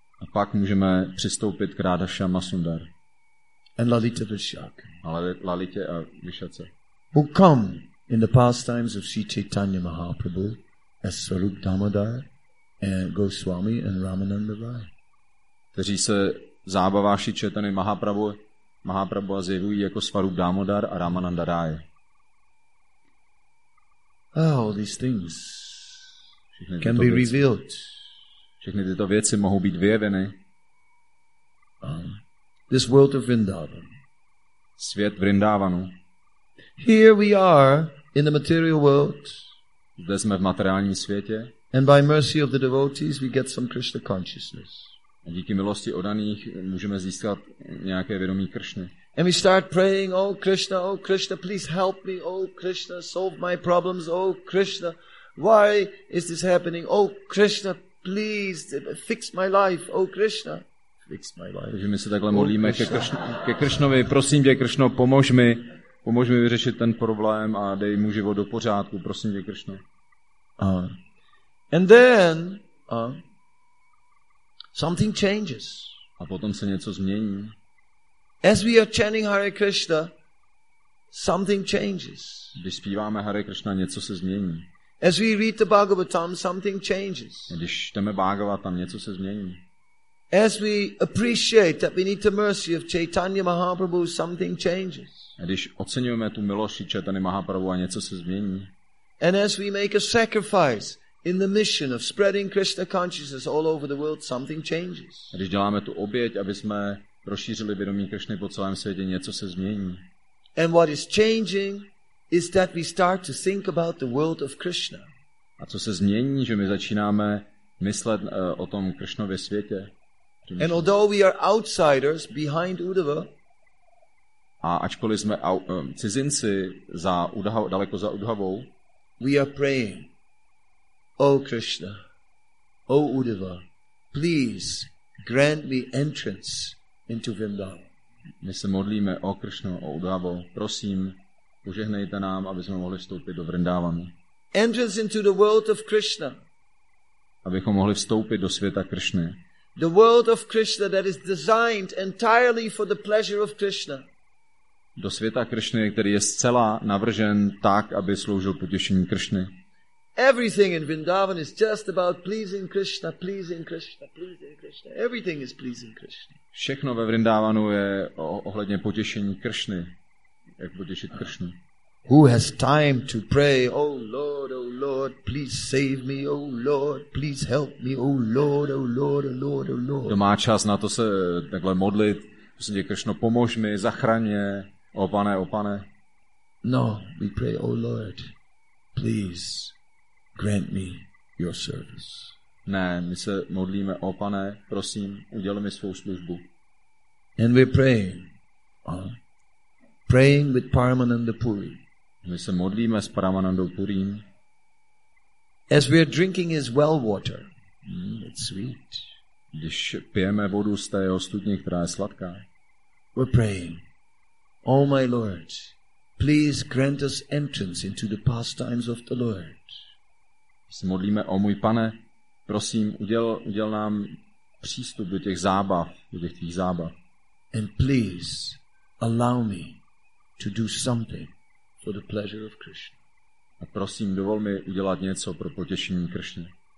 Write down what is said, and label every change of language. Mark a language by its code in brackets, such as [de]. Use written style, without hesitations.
[cs] A pak můžeme přistoupit k Radha Shyama Sundar. [en] And Lalita Vishak. [cs] Ale Lalitě a Vishace. [en] Who come in the pastimes of Sri Chaitanya Mahaprabhu as Swarup Damodar and Goswami and Ramananda Rai. [cs] Kteří se zábavá Sri Chaitanya Mahaprabhu a zjevují jako Swarup Damodar a Ramananda Rai. [en] All these things can be revealed. [cs] Všechny tyto věci mohou být vyjeveny. [en] This world of Vrindavan. [cs] Svět Vrindavanu. [en] Here we are in the material world. [cs] Zde jsme v materiálním světě. [en] And by mercy of the devotees we get some Krishna consciousness. [cs] A díky milosti odaných můžeme získat nějaké vědomí Krishny. [en] And we start praying, oh Krishna, please help me, oh Krishna, solve my problems, oh Krishna, why is this happening, oh Krishna, please fix my life, oh Krishna. [cs] Takže my se takhle modlíme ke Krishnovi, prosím tě Krishno, pomož mi vyřešit ten problém a dej mu život do pořádku, prosím tě Krishno. [en] And then something changes. [cs] A potom se něco změní. [en] As we are chanting Hare Krishna, something changes. [cs] Když zpíváme Hare Krishna, něco se změní. [en] As we read the Bhagavatam, something changes. [cs] Když čteme Bhagavatam, něco se změní. [en] As we appreciate that we need the mercy of Chaitanya Mahaprabhu, something changes. [cs] Když oceňujeme tu milost Chaitanya Mahaprabhu, a něco se změní. [en] And as we make a sacrifice in the mission of spreading Krishna consciousness all over the world, something changes. [cs] Když děláme tu oběť, aby jsme rozšířili vědomí Krishny po celém světě, něco se změní. [en] And what is changing is that we start to think about the world of Krishna. [cs] A co se změní, že my začínáme myslet o tom Krishnově světě. [en] And although we are outsiders behind Uddhava, [cs] a ačkoliv jsme cizinci za Uddhava, daleko za Uddhavou, [en] we are praying, O Krishna, O Uddhava, please grant me entrance into Vrindavan. [cs] My se modlíme, O Krishna, O Uddhavo, prosím, požehnejte nám, aby jsme mohli vstoupit do Vrindavanu. [en] Entrance into the world of Krishna. [cs] Abychom mohli vstoupit do světa Krishny. [en] The world of Krishna that is designed entirely for the pleasure of Krishna. [cs] Do světa Krishny, který je zcela navržen tak, aby sloužil potěšení Krishny. [en] Everything in Vrindavan is just about pleasing Krishna, pleasing Krishna, pleasing Krishna. Everything is pleasing Krishna. [cs] Všechno ve Vrindavanu je ohledně potěšení Krishny. Jak potěšit Krishnu. [en] Who has time to pray, oh Lord, please save me, oh Lord, please help me, oh Lord, oh Lord, oh Lord, oh Lord. [cs] Kdo má čas na to se takhle modlit, prosím tě, Krishno, pomož mi, zachraň mě, o pane. [en] No, we pray, oh Lord, please grant me your service. [cs] Ne, my se modlíme, o pane, prosím, uděl mi svou službu. [en] And we pray, praying with Paramananda Puri. [cs] My se modlíme s Paramanandou Purim. [en] As we are drinking his well water. It's sweet. [cs] Když pijeme vodu z té jeho studně, která je sladká. [en] We're praying. Oh my Lord, please grant us entrance into the pastimes of the Lord. [cs] Se modlíme, o můj Pane, prosím, uděl nám přístup do těch zábav, do těch tvých zábav. [en] And please allow me to do something for the pleasure of Krishna. [cs] A prosím, dovol mi udělat něco pro potěšení Krishny.